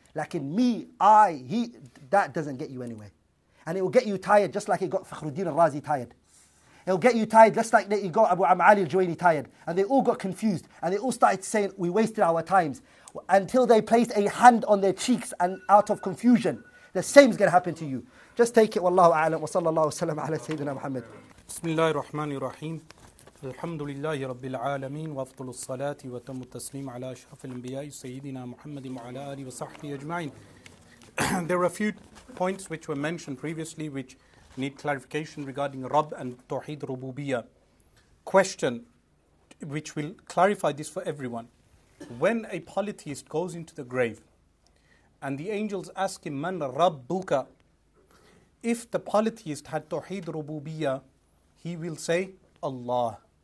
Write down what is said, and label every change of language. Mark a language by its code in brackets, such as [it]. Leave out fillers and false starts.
[en] Like in me, I, he, that doesn't get you anywhere. And it will get you tired, just like it got Fakhruddin al-Razi tired. It will get you tired, just like it got Abu Amr Ali al-Juwayni tired. And they all got confused. And they all started saying, we wasted our times. Until they placed a hand on their cheeks and out of confusion, the same is going to happen to you. Just take it, [ar] wallahu a'lam, wa sallallahu sallam ala Sayyidina Muhammad. Bismillahir Rahmanir Rahim. الحمد لله رب العالمين وافضل الصلاة وتم التسليم على أشرف الأنبياء سيدنا محمد وعلى آله وصحبه أجمعين. [en] There are a few points which were mentioned previously which need clarification regarding Rabb and Tawheed Rububiyya. Question which will clarify this for everyone. When a polytheist goes into the grave and the angels ask him, [ar] من ربك؟ [en] If the polytheist had Tawheed Rububiyya, he will say, Allah.